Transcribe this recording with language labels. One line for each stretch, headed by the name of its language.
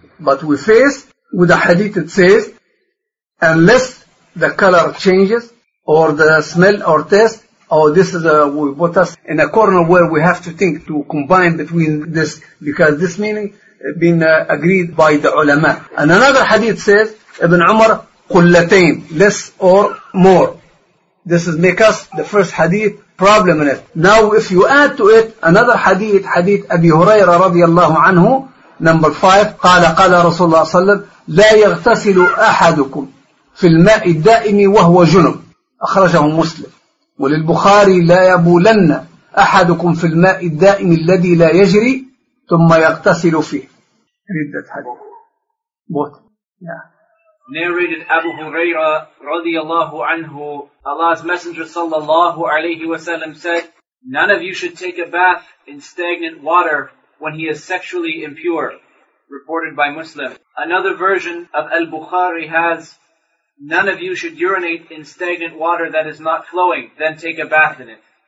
English: But we face with the hadith it says, unless the color changes or the smell or taste, or this is what put us in a corner where we have to think to combine between this, because this meaning been agreed by the ulama. And another hadith says, Ibn Umar, قلتين, less or more. This is make us the first hadith problem in it. Now if you add to it another hadith, hadith Abi Huraira radiallahu anhu, number 5,
Arabic: قال رسول الله صلى الله عليه وسلم لا يغتسل أحدكم في الماء الدائم وهو جنب. أخرجه مسلم. وللبخاري لا يبولن أحدكم في الماء الدائم الذي لا يجري ثم يغتسل فيه.
English: Read that hadith. What? Yeah. Narrated Abu Huraira radiallahu anhu, Allah's Messenger sallallahu alayhi wa sallam said, none of you should take a bath in stagnant water when he is sexually impure. Reported by Muslim. Another version of al-Bukhari has, none of you should urinate in stagnant water that is not flowing, then take a bath in it.